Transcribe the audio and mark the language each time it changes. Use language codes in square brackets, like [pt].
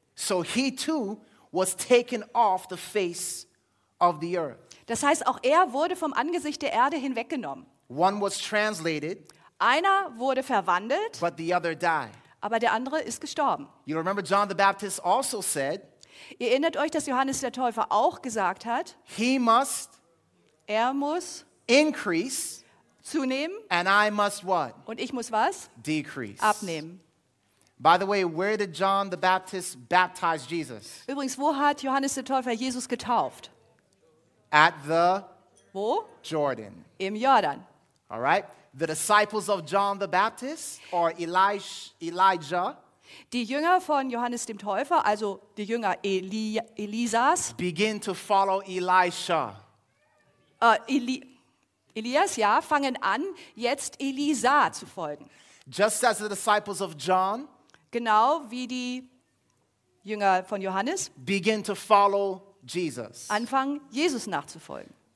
[en] So he too was taken off the face of the earth. [de] Das heißt, auch er wurde vom Angesicht der Erde hinweggenommen. [en] One was translated. [de] Einer wurde verwandelt. [en] But the other died. [de] Aber der andere ist gestorben. [en] You remember John the Baptist also said. [de] Ihr erinnert euch, dass Johannes der Täufer auch gesagt hat. [en] He must. [de] Er muss. [en] Increase. [de] Zunehmen. [en] And I must what? [de] Und ich muss was? [en] Decrease. [de] Abnehmen. [en] By the way, where did John the Baptist baptize Jesus? [de] Übrigens, wo hat Johannes der Täufer Jesus getauft? [en] At the [de] wo? [en] Jordan. [de] Im Jordan. [en] All right. The disciples of John the Baptist or Elijah. [de] Die Jünger von Johannes dem Täufer, also die Jünger Elisas. [en] Begin to follow Elisha. [de] Elias, ja, fangen an, jetzt Elisa zu folgen. [en] Just as the disciples of John. [de] Genau wie die Jünger von Johannes. [en] Begin to follow Jesus. [de] Anfang Jesus nachzufolgen.